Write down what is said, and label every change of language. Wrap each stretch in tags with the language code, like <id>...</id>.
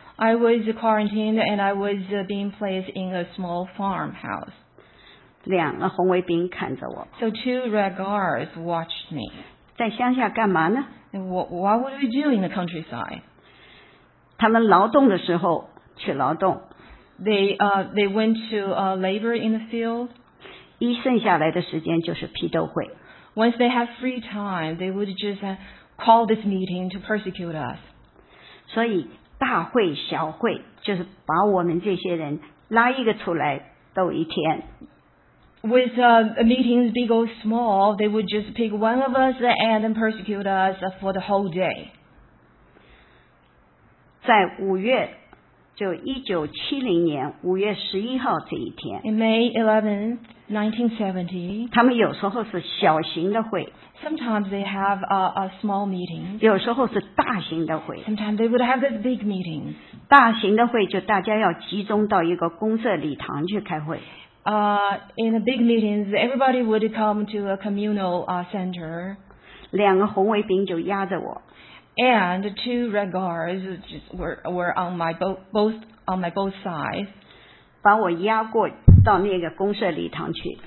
<en>I was quarantined and I was being placed in a small farmhouse.</en> <zh>两个红卫兵看着我。</zh> <en>So two red guards watched me.</en> <zh>在乡下干嘛呢？</zh> <en>What would we do in the countryside?</en> <zh>他们劳动的时候去劳动。</zh> <en>They went to labor in the field.</en> <zh>一剩下来的时间就是批斗会。</zh> <en>Once they have free time, they would just call this meeting to persecute us.</en> <zh>所以大会小会就是把我们这些人拉一个出来斗一天。</zh> <en>With meetings big or small, they would just pick one of us and then persecute us for the whole day.</en> <zh>在五月，就1970年5月11号这一天。</zh> <en>In May 11th, 1970,</en> <zh>他们有时候是小型的会。</zh> <en>Sometimes they have a small meeting.</en> <zh>有时候是大型的会。</zh> <en>Sometimes they would have this big meeting.</en> <zh>大型的会就大家要集中到一个公社礼堂去开会。</zh> <en>In the big meetings, everybody would come to a communal center.</en> <zh>两个红卫兵就压着我。</zh> <en>And two red guards were on my both sides.</en> <zh>把我压过到那个公社礼堂去。</zh>